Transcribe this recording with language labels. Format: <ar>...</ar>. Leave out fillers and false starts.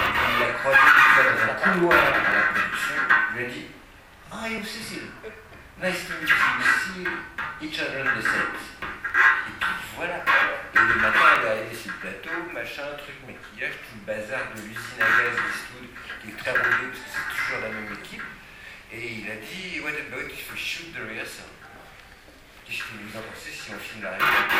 <fr>Il l'a croisé une fois dans un couloir à la production, il lui a dit ah, et où Cécile?</fr> <en>Nice to meet you, see each other on the set.</en> <fr>Et puis voilà. Et le matin, il a été sur le plateau, machin, truc, maquillage, tout le bazar de l'usine à gaz d'Eastwood, qui est très roulé parce que c'est toujours la même équipe. Et il a dit</fr> <en>what about if we shoot the rehearsal?</en> <fr>Qu'est-ce que vous en pensez si on filme la réalité?</fr>